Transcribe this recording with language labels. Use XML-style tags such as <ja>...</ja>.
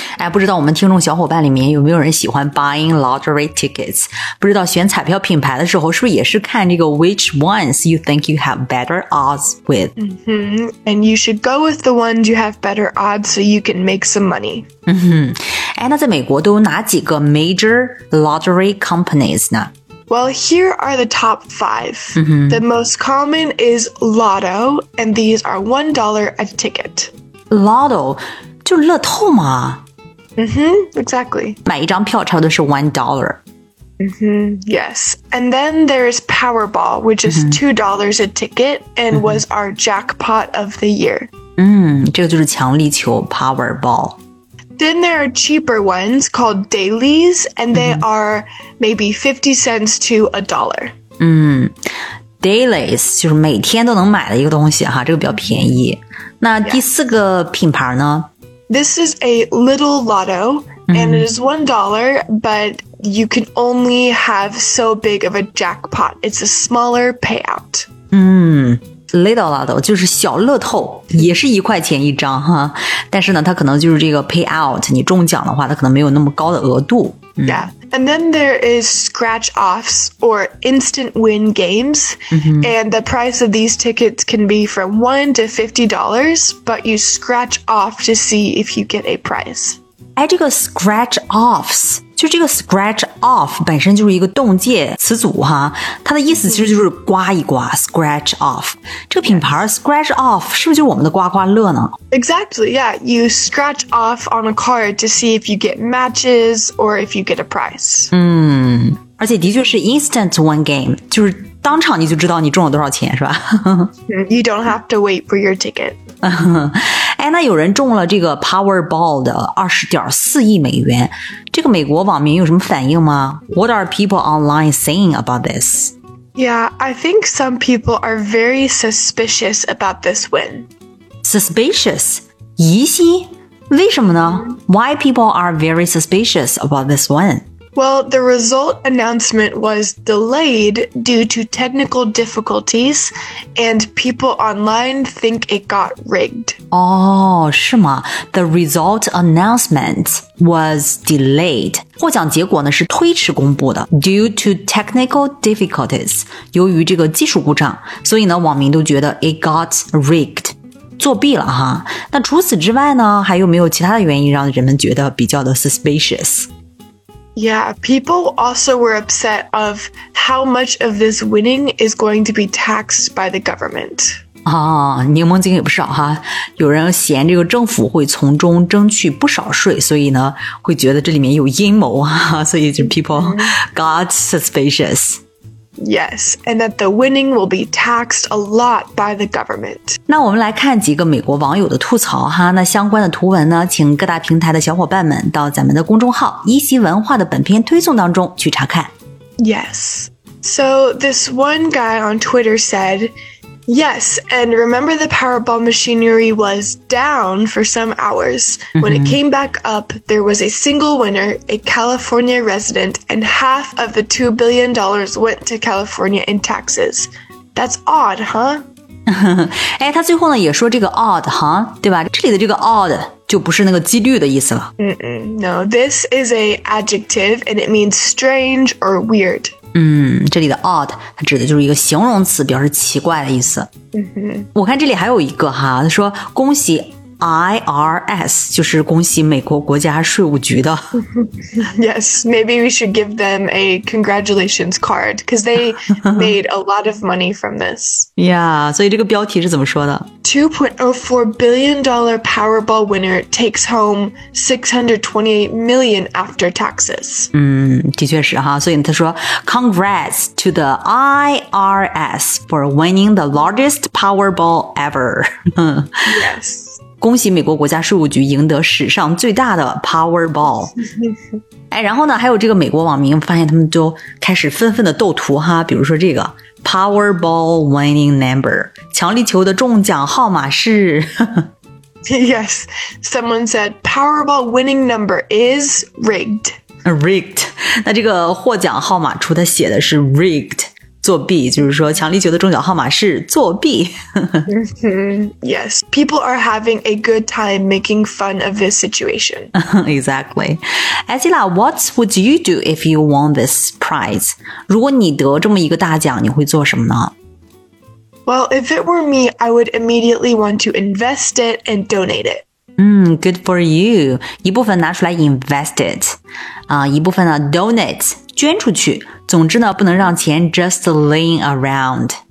<zh>哎，不知道我们听众小伙伴里面有没有人喜欢</zh> <en>buying lottery tickets?</en> <zh>不知道选彩票品牌的时候是不是也是看这个</zh> <en>which ones you think you have better odds with? And you should go with the ones you have better odds so you can make some money.</en> <zh>哎，那在美国都有哪几个</zh> <en>major lottery companies</en> <zh>呢？</zh> <en>Well, here are the top five. The most common is Lotto, and these are $1 a ticket.</en> <zh>Lotto, 就乐透吗？</zh> <en>Exactly.</en> <zh>买一张票差不多是$1.</zh> <en>Yes. And then there's Powerball, which is $2 a ticket and was our jackpot of the year.</en> <zh>这个就是强力球 Powerball.</zh> <en>Then there are cheaper ones called dailies, and they are maybe 50 cents to a dollar.</en> <zh>Dailies, 就是每天都能买的一个东西哈，这个比较便宜。那第四个品牌呢？</zh> <en>This is a little lotto, and it is $1, but you can only have so big of a jackpot. It's a smaller payout.</en> <zh>Little lotto 就是小乐透，也是一块钱一张哈。但是呢，它可能就是这个 payout， 你中奖的话，它可能没有那么高的额度。</zh> <en>And then there is scratch offs or instant win games, and the price of these tickets can be from $1 to $50, but you scratch off to see if you get a prize.</en> <zh>哎，这个 scratch offs。就这个 scratch off 本身就是一个动介词组哈，它的意思其实就是刮一刮 scratch off 这个品牌 scratch off 是不是就是我们的刮刮乐呢</zh> <en>exactly yeah you scratch off on a card to see if you get matches or if you get a prize</en> <zh>而且的确是 instant win game 就是当场你就知道你中了多少钱是吧</zh> <en>you don't have to wait for your ticket</en> <zh>哎，那有人中了这个 Powerball 的$20.4 million，这个美国网民有什么反应吗？</zh> <en>What are people online saying about this? Yeah, I think some people are very suspicious about this win.</en> <zh>Suspicious? 疑心？为什么呢？</zh> <en>Why people are very suspicious about this win? Well, the result announcement was delayed due to technical difficulties, and people online think it got rigged.</en> <zh>Oh, 是吗?</zh> <en>The result announcement was delayed.</en> <zh>获奖结果呢是推迟公布的</zh> <en>due to technical difficulties,</en> <zh>由于这个技术故障。所以呢网民都觉得</zh> <en>it got rigged,</en> <zh>作弊了哈。那除此之外呢还有没有其他的原因让人们觉得比较的 suspicious?</zh> <en>Yeah, people also were upset of how much of this winning is going to be taxed by the government.</en> <zh>啊，柠檬精也不少哈。有人嫌这个政府会从中争取不少税，所以呢，会觉得这里面有阴谋哈。所以就</zh> <en>people got suspicious. Yes, and that the winning will be taxed a lot by the government.</en> <zh>那我们来看几个美国网友的吐槽哈，那相关的图文呢，请各大平台的小伙伴们到咱们的公众号依稀文化的本篇推送当中去查看。</zh> <en>Yes. So this one guy on Twitter said, yes, and remember the Powerball machinery was down for some hours. Mm-hmm. When it came back up, there was a single winner, a California resident, and half of the $2 billion went to California in taxes. That's odd, huh?</en> <zh>哎，他最后呢也说这个</zh> <en>odd, huh?</en> <zh>对吧？这里的这个 odd就不是那个几率的意思了。</zh> <en>No, this is an adjective and it means strange or weird.</en> <zh>这里的 odd, 它指的就是一个形容词表示奇怪的意思。我看这里还有一个哈，他说恭喜 IRS, 就是恭喜美国国家税务局的。</zh> <en>Yes, maybe we should give them a congratulations card, because they made a lot of money from this.</en> <zh>Yeah, 所以这个标题是怎么说的？</zh> <en>$2.04 billion Powerball winner takes home $628 million after taxes.</en> <zh>的确是哈，所以他说</zh> <en>Congrats to the IRS for winning the largest Powerball ever. Yes.</en> <zh>恭喜美国国家税务局赢得史上最大的 Powerball. 哎，然后呢，还有这个美国网民发现他们就开始纷纷的斗图哈，比如说这个</zh> <en>Powerball winning number.</en> <zh>强力球的中奖号码是</zh> <en>Yes, someone said Powerball winning number is rigged. Rigged.</en> <zh>那这个获奖号码出它写的是 rigged, 作弊，就是说强力球的中奖号码是作弊。</zh> <en>Yes, people are having a good time making fun of this situation. Exactly. Azila, what would you do if you won this? Prize.</en> <zh>如果你得这么一个大奖，你会做什么呢？</zh> <en>Well, if it were me, I would immediately want to invest it and donate it. Good for you.</en> <zh>一部分拿出来</zh> <en>invest it,</en> <zh>一部分呢 donate, 捐出去。总之呢，不能让钱</zh> <en>just laying around.</en>